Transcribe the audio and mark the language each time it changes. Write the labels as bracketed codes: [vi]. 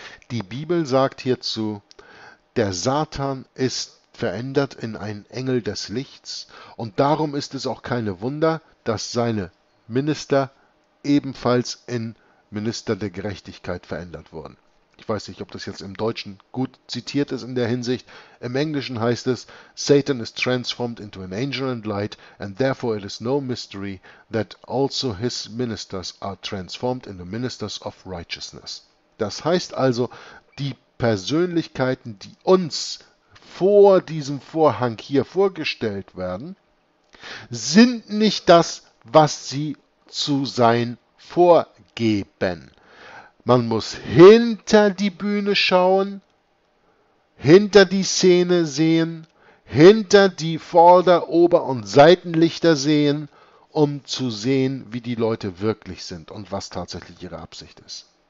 [de] Die Bibel sagt hierzu, der Satan ist verändert in einen Engel des Lichts, und darum ist es auch keine Wunder, dass seine Minister ebenfalls in Minister der Gerechtigkeit verändert wurden. Ich weiß nicht, ob das jetzt im Deutschen gut zitiert ist in der Hinsicht. Im Englischen heißt es, [en] Satan is transformed into an angel and light, and therefore it is no mystery that also his ministers are transformed into ministers of righteousness. [de] Das heißt also, die Persönlichkeiten, die uns vor diesem Vorhang hier vorgestellt werden, sind nicht das, was sie zu sein vorgeben. Man muss hinter die Bühne schauen, hinter die Szene sehen, hinter die Vorder-, Ober- und Seitenlichter sehen, um zu sehen, wie die Leute wirklich sind und was tatsächlich ihre Absicht ist.